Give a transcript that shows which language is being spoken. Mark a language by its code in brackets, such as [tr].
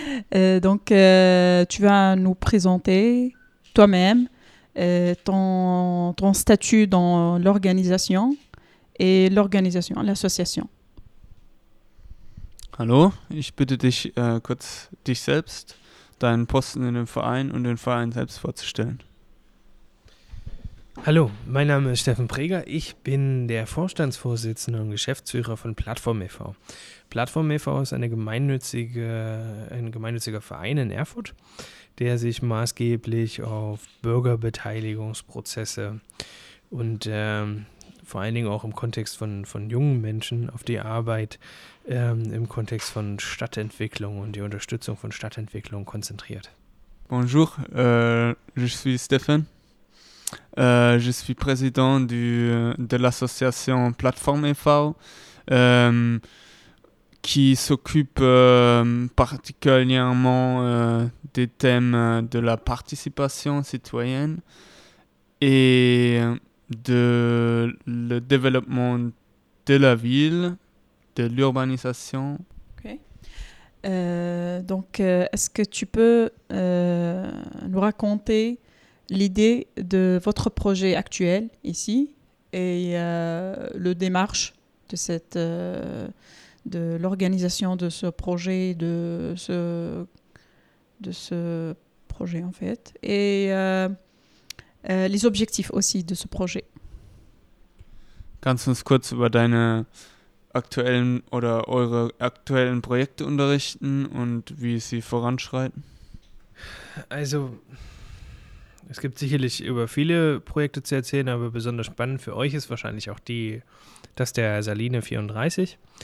[fr] Tu vas nous présenter toi-même ton statut dans l'organisation et l'organisation, l'association. [de] Hallo, ich bitte dich kurz, dich selbst, deinen Posten in dem Verein und den Verein selbst vorzustellen. Hallo, mein Name ist Steffen Preger. Ich bin der Vorstandsvorsitzende und Geschäftsführer von Plattform e.V. Plattform e.V. ist ein gemeinnütziger Verein in Erfurt, der sich maßgeblich auf Bürgerbeteiligungsprozesse und vor allen Dingen auch im Kontext von jungen Menschen auf die Arbeit, im Kontext von Stadtentwicklung und die Unterstützung von Stadtentwicklung konzentriert. [fr] Bonjour, je suis Stéphane. Je suis président de l'association Plateforme e.V. Qui s'occupe particulièrement des thèmes de la participation citoyenne et de le développement de la ville, de l'urbanisation. Est-ce que tu peux nous raconter l'idée de votre projet actuel ici et le démarche de cette de l'organisation de ce projet de ce projet en fait et les objectifs aussi de ce projet? [de] Kannst du uns kurz über deine aktuellen oder eure aktuellen Projekte unterrichten und wie sie voranschreiten? Also, es gibt sicherlich über viele Projekte zu erzählen, aber besonders spannend für euch ist wahrscheinlich auch das der Saline 34.